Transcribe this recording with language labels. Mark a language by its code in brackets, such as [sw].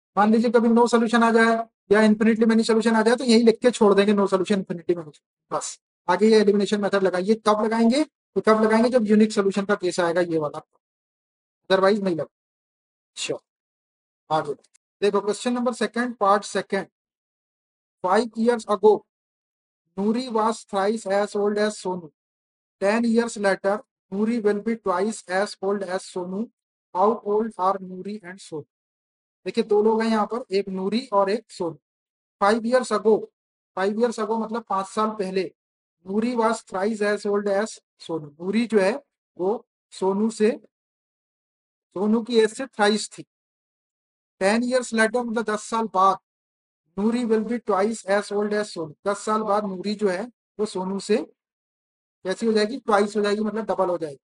[hi] मान लीजिए कभी नो सोल्यूशन आ जाए या इन्फिनिटली मेनी सोल्यूशन आ जाए तो यही लिख के छोड़ देंगे, नो सोल्यूशन इन्फिनिटी मेनी, बस आगे ये एलिमिनेशन मेथड लगाइए। कब लगाएंगे, तो कब लगाएंगे जब यूनिक सोल्यूशन का केस आएगा ये वाला, अदरवाइज नहीं लगा। श्योर, आगे देखो question number second, part second. [en] 5 years ago, Nuri was thrice as old as Sonu. 10 years later, Nuri will be twice as old as Sonu. How old are Nuri and Sonu? [hi] देखिए दो लोग हैं यहाँ पर, एक नूरी और एक Sonu. [en] 5 years ago, 5 years ago [hi] मतलब 5 साल पहले, [en] Nuri was thrice as old as Sonu. [hi] Nuri जो है वो सोनू से, सोनू की एज से thrice थी। [en] 10 years later [hi] मतलब 10 साल बाद, [en] Noori will be twice as old as Sonu. [hi] 10 साल बाद नूरी जो है वो सोनू से कैसी हो जाएगी, ट्वाइस हो जाएगी, मतलब डबल हो जाएगी।